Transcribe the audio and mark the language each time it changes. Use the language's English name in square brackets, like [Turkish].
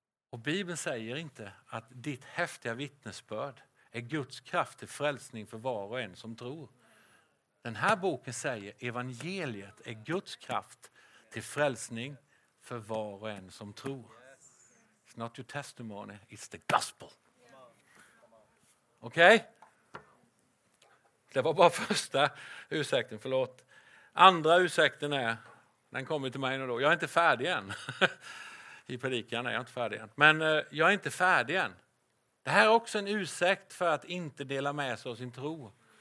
[Swedish] Och Bibeln säger inte att ditt häftiga vittnesbörd är Guds kraft till frälsning för var och en som tror. Den här boken säger evangeliet är Guds kraft till frälsning för var och en som tror. [English] It's not your testimony, it's the gospel. Okej? Okay? [Swedish] Det var bara första ursäkten, förlåt. Andra ursäkten är, den kommer till mig nu då, jag är inte färdig än. I predikan är jag inte färdig än. Men jag är inte färdig än. Det här är också en ursäkt för att inte dela med sig av sin tro.